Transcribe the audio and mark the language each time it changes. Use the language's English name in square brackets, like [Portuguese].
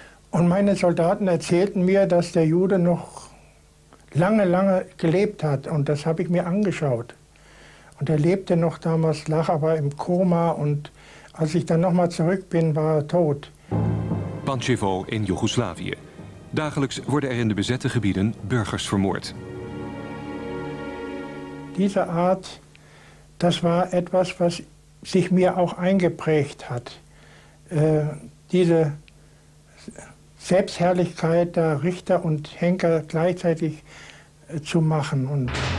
[German] Und meine Soldaten erzählten mir, dass der Jude noch lange, lange gelebt hat und das habe ich mir angeschaut. Und er lebte noch damals, lag aber im Koma und als ich dann nochmal zurück bin, war er tot. [Dutch] Pančevo in Joegoslavië. Dagelijks worden er in de bezette gebieden burgers vermoord. [German] Diese Art, das war etwas, was sich mir auch eingeprägt hat. Diese Selbstherrlichkeit der Richter und Henker gleichzeitig zu machen.